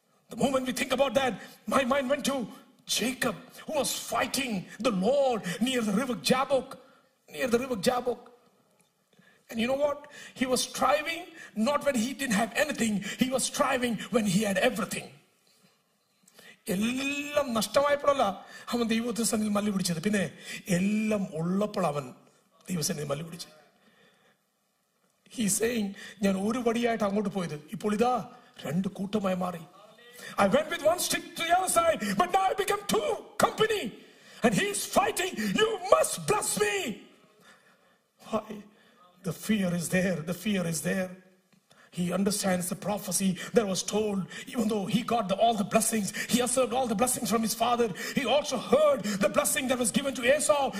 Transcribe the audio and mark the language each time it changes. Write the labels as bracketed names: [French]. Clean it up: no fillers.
[English] The moment we think about that, my mind went to Jacob, who was fighting the Lord near the river Jabbok. Near the river Jabbok. And you know what? He was striving not when he didn't have anything. He was striving when he had everything. [Malayalam] എല്ലാം നഷ്ടമായപ്പോഴല്ല അവൻ ദൈവത്തിന്റെ സന്നിധിയിൽ മല്ലി പിടിച്ചത്. പിന്നെ എല്ലാം ഉള്ളപ്പോൾ അവൻ ദൈവസന്നിധിയിൽ മല്ലി പിടിച്ചു. [English] he saying [Malayalam] ഞാൻ ഒരു വടിയായിട്ട് അങ്ങോട്ട് പോയത്, ഇപ്പോൾ ഇതാ രണ്ട് കൂട്ടമായി മാറി. [English] I went with one stick to the other side, but now I become two company. And he's fighting. You must bless me. Why? The fear is there. The fear is there. He understands the prophecy that was told. Even though he got all the blessings, he observed all the blessings from his father, he also heard the blessing that was given to Esau.